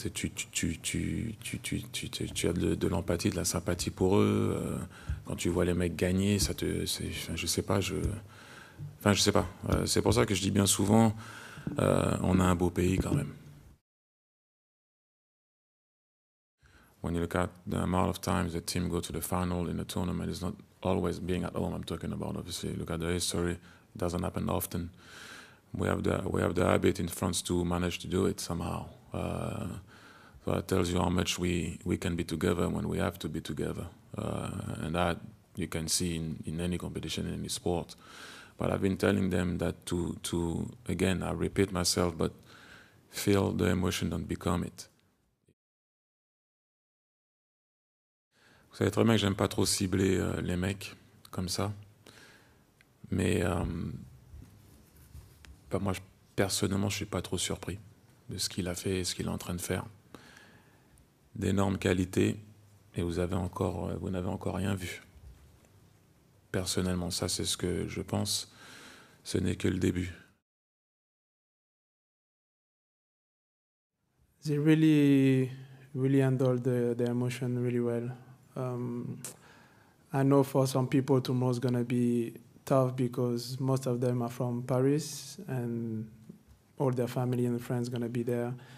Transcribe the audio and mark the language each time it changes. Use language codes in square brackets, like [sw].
[fr] Tu as de l'empathie, de la sympathie pour eux. Quand tu vois les mecs gagner, ça te, je sais pas, je sais pas. C'est pour ça que je dis bien souvent, on a un beau pays quand même. [en] When you look at the amount of times a team go to the final in a tournament, it's not always being at home. I'm talking about, obviously, look at the history. It doesn't happen often. We have the habit in France to manage to do it somehow. So that tells you how much we can be together when we have to be together. And that you can see in any competition, in any sport. But I've been telling them that to again, I repeat myself, but feel the emotion and become it. [fr] Vous savez très bien que j'aime pas trop cibler les mecs comme ça, mais bah moi personnellement je suis pas trop surpris de ce qu'il a fait et ce qu'il est en train de faire. D'énormes qualités, et vous n'avez encore rien vu. Personnellement, ça c'est ce que je pense, ce n'est que le début. [en] They really, really handled the emotion really well. I know for some people tomorrow is going to be tough because most of them are from Paris and all their family and friends going to be there.